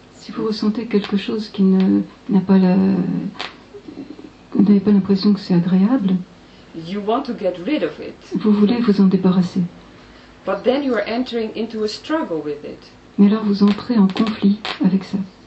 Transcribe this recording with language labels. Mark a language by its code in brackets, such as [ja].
[fr] si vous ressentez quelque chose qui n'avez pas l'impression que c'est agréable, [en] you want to get rid of it. [fr] Vous voulez vous en débarrasser. [en] But then you are entering into a struggle with it. [fr] Mais alors vous entrez en conflit avec ça.